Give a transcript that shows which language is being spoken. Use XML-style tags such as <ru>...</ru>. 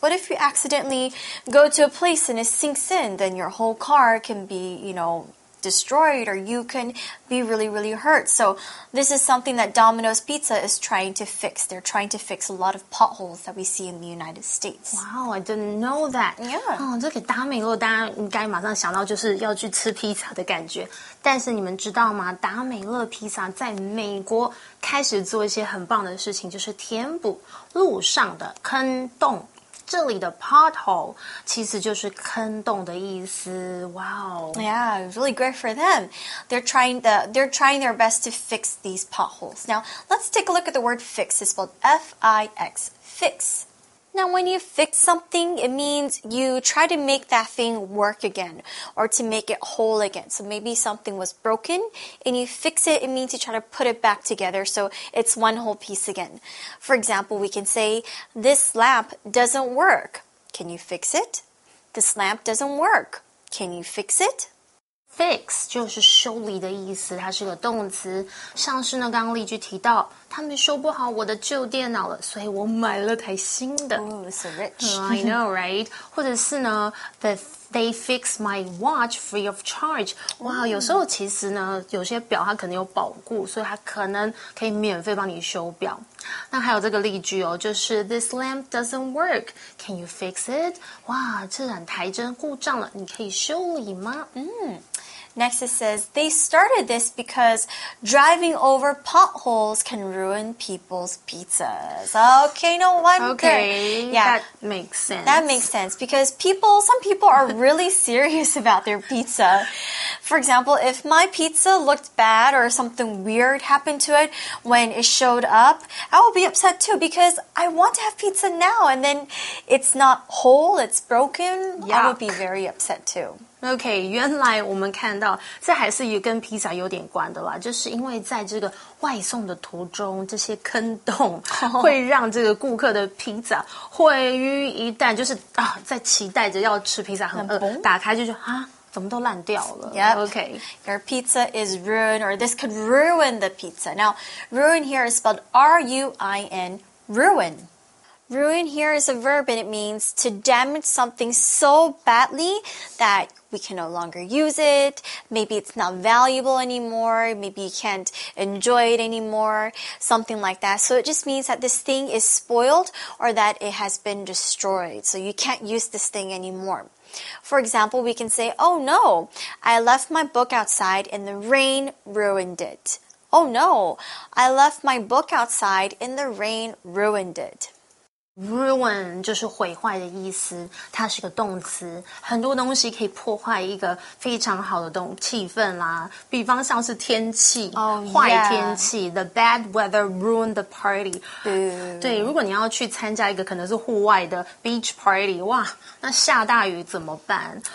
<en>What if you accidentally go to a place and it sinks in? Then your whole car can be, you know, destroyed, or you can be really, really hurt. So this is something that Domino's Pizza is trying to fix. They're trying to fix a lot of potholes that we see in the United States. Wow, I didn't know that. Yeah.</en> <zh>这个大美乐，大家应该马上想到就是要去吃披萨的感觉。但是你们知道吗？大美乐披萨在美国开始做一些很棒的事情，就是填补路上的坑洞。这里的 pothole 其实就是坑洞的意思。</zh> <en>Wow. Yeah, really great for them. They're trying their best to fix these potholes. Now, let's take a look at the word fix. It's spelled F-I-X, fix. Now, when you fix something, it means you try to make that thing work again or to make it whole again. So maybe something was broken and you fix it, it means you try to put it back together so it's one whole piece again. For example, we can say, this lamp doesn't work. Can you fix it? This lamp doesn't work. Can you fix it?</en> <zh>Fix 就是修理的意思，它是个动词。像是呢，刚刚例句提到，他们修不好我的旧电脑了，所以我买了台新的。</zh> <en>Oh, so rich. I know, right?</en> <zh>或者是呢</zh> <en>they fix my watch free of charge. 哇、wow, mm.</en> <zh>有时候其实呢，有些表它可能有保固，所以它可能可以免费帮你修表。那还有这个例句哦，就是</zh> <en>This lamp doesn't work. Can you fix it?</en> <zh>哇、wow, 这盏台灯故障了，你可以修理吗？嗯、mm.</zh> <en>Next it says, they started this because driving over potholes can ruin people's pizzas. Okay, no wonder. Okay, yeah, that makes sense. That makes sense because people, some people are really serious about their pizza. For example, if my pizza looked bad or something weird happened to it when it showed up, I would be upset too because I want to have pizza now and then it's not whole, it's broken. Yuck. I would be very upset too.</en> <zh>OK, 原来我们看到这还是跟披萨有点关的啦，就是因为在这个外送的途中，这些坑洞会让这个顾客的披萨毁于一旦，就是、啊、在期待着要吃披萨很饿，打开就说啊，怎么都烂掉了。</zh> <en>Yep. OK, your pizza is ruined, or this could ruin the pizza. Now, ruin here is spelled R-U-I-N, ruin. Ruin here is a verb and it means to damage something so badly that we can no longer use it. Maybe it's not valuable anymore. Maybe you can't enjoy it anymore. Something like that. So it just means that this thing is spoiled or that it has been destroyed. So you can't use this thing anymore. For example, we can say, oh no, I left my book outside and the rain ruined it. Oh no, I left my book outside and the rain ruined it.</en> <zh>Ruin 就是毁坏的意思，它是个动词，很多东西可以破坏一个非常好的动气氛啦，比方像是天气、 oh, 坏天气、</zh> <en>The bad weather ruined the party、 mm.</en> <zh>对，如果你要去参加一个可能是户外的</zh> <en>beach party，</en> <zh>哇，那下大雨怎么办？</zh>